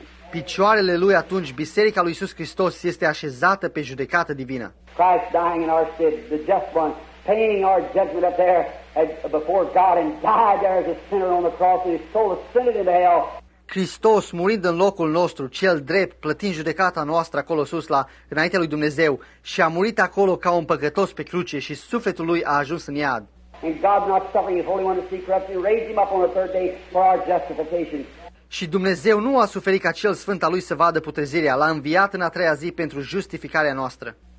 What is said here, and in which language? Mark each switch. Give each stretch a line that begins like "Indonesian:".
Romanian: Picioarele lui atunci, biserica lui Iisus Hristos este așezată pe judecată divină.
English: Christ dying in our stead, the just one. Paying our judgment up there before God and died there as a sinner on the cross and his soul ascended into hell.
Romanian: Hristos murind în locul nostru, cel drept, plătind judecata noastră acolo sus la înaintea lui Dumnezeu și a murit acolo ca un păcătos pe cruce și sufletul lui a ajuns în iad.
English: And God not suffering his holy one to see corruption, raised him up on the third day for our justification.
Romanian: Și Dumnezeu nu a suferit ca cel sfânt al lui să vadă putrezirea, l-a înviat în a treia zi pentru justificarea noastră.